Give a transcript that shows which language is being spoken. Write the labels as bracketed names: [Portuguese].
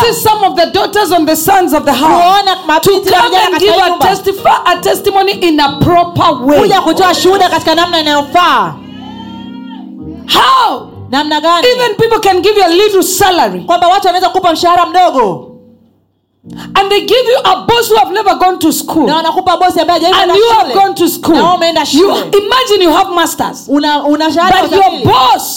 [English] to see some of the daughters and the sons of the house [Swahili] kuona mabinti na vijana katika nyumba [English] to testify a testimony in a proper way, [Swahili] kuja kutoa shuhuda katika namna inayofaa. [English] How? [Swahili] Namna gani? [English] Even people can give you a little salary. [Swahili] Kwamba watu wanaweza kukupa mshahara mdogo. [English] And they give you a boss who have never gone to school. [Swahili] Na wanakupa boss ambaye hajaenda shule. [English] And you have gone to school. [Swahili] Na umeenda shule. [English] You imagine you have masters. [Swahili] Una shahada. [English] But your boss.